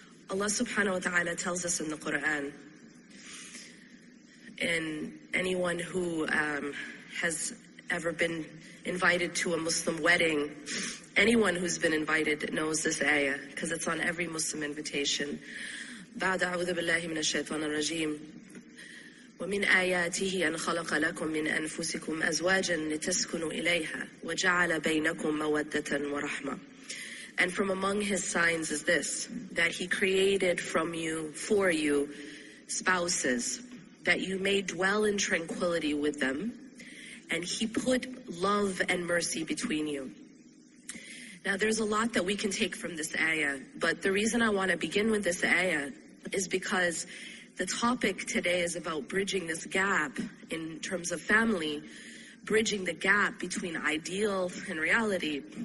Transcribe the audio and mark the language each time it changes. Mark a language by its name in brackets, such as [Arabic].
[English] Allah subhanahu wa ta'ala tells us in the Quran, in anyone who has ever been invited to a Muslim wedding, anyone who's been invited knows this ayah, because it's on every Muslim invitation. [Arabic] بعد أعوذ بالله من الشيطان الرجيم ومن آياته أن خلق لكم من أنفسكم أزواجا لتسكنوا إليها وجعل بينكم مودة ورحمة. [English] And from among his signs is this, that he created from you, for you, spouses, that you may dwell in tranquility with them, and he put love and mercy between you. Now, there's a lot that we can take from this ayah, but the reason I want to begin with this ayah is because the topic today is about bridging this gap in terms of family, bridging the gap between ideal and reality.